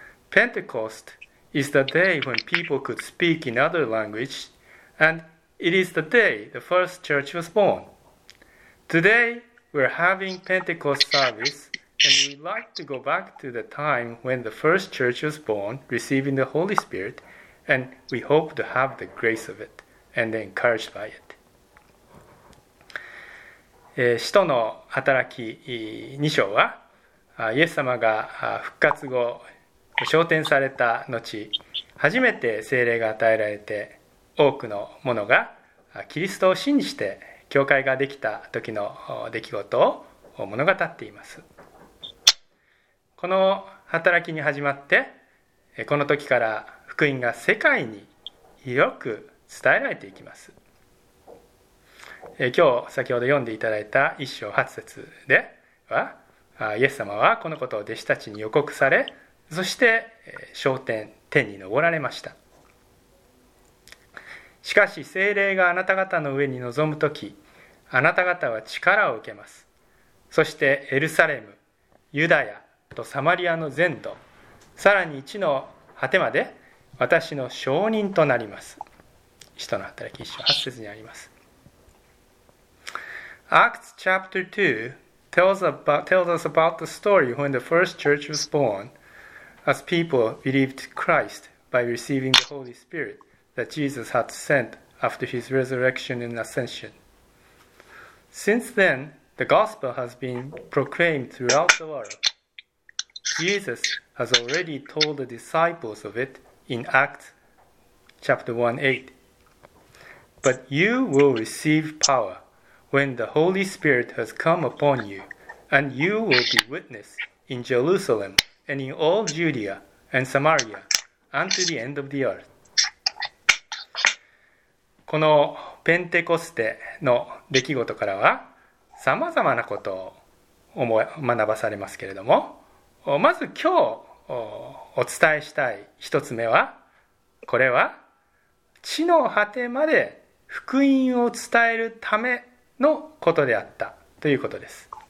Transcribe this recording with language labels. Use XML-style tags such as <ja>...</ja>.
<en>Pentecost is the day when people could speak in other language, and it is the day the first church was born. Today we're having Pentecost service, and we'd like to go back to the time when the first church was born, receiving the Holy Spirit, and we hope to have the grace of it and be encouraged by it.</en> <ja>使徒の働き2章は、イエス様が復活後昇天された後、初めて聖霊が与えられて、多くの者がキリストを信じて教会ができた時の出来事を物語っています。この働きに始まって、この時から福音が世界によく伝えられていきます。今日先ほど読んでいただいた一章八節では、イエス様はこのことを弟子たちに予告され、そして昇天、天に昇られました。しかし聖霊があなた方の上に臨むとき、あなた方は力を受けます。そしてエルサレム、ユダヤとサマリアの全土、さらに地の果てまで私の証人となります。使徒の働き一章八節にあります。</ja> <en>Acts chapter 2 tells us about the story when the first church was born as people believed Christ by receiving the Holy SpiritThat Jesus had sent after his resurrection and ascension. Since then, the gospel has been proclaimed throughout the world. Jesus has already told the disciples of it in Acts chapter 1:8. But you will receive power when the Holy Spirit has come upon you, and you will be witness in Jerusalem and in all Judea and Samaria and to the end of the earth.</en> <ja>このペンテコステの出来事からは、さまざまなことを学ばされますけれども、まず今日お伝えしたい一つ目は、これは地の果てまで福音を伝えるためのことであったということです。</ja>